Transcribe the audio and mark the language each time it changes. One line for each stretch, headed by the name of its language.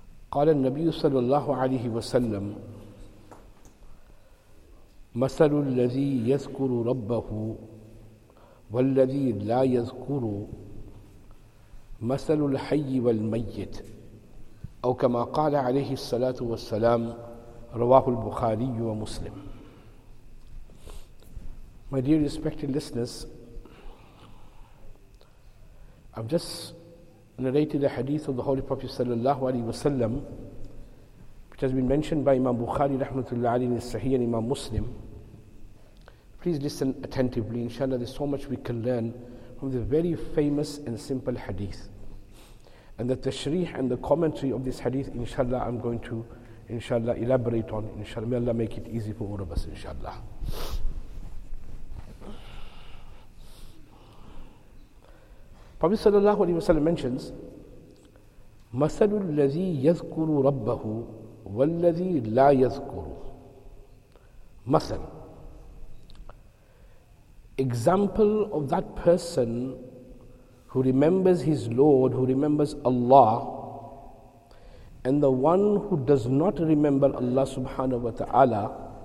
Arabic: قال النبي صلى الله عليه وسلم مثل الذي يذكر ربه والذي لا يذكر مثل الحي والميت أو كما قال عليه الصلاة والسلام رواه البخاري ومسلم.
English: My dear respected listeners, I've just narrated a hadith of the Holy Prophet sallallahu alaihi wasallam, which has been mentioned by Imam Bukhari rahmatullahi alayhi in his Sahih and Imam Muslim. Please listen attentively, inshallah there's so much we can learn from this very famous and simple hadith. And the tashrih and the commentary of this hadith, inshallah I'm going to inshallah elaborate on, inshallah. May Allah make it easy for all of us, inshallah. Prophet sallallahu alaihi wasallam mentions,
Arabic: مَثَلُ الَّذِي يَذْكُرُ رَبَّهُ وَالَّذِي لَا يَذْكُرُ.
English: مَثَل, example of that person who remembers his Lord, who remembers Allah, and the one who does not remember Allah subhanahu wa ta'ala.